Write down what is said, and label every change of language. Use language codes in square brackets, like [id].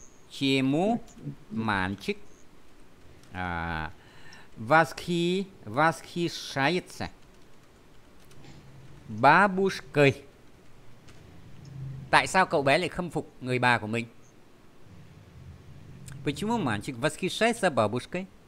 [ru] Почему мальчик восхищается бабушкой? [vi] Tại sao cậu bé lại khâm phục người bà của mình? [ru] Почему мальчик восхищается бабушкой?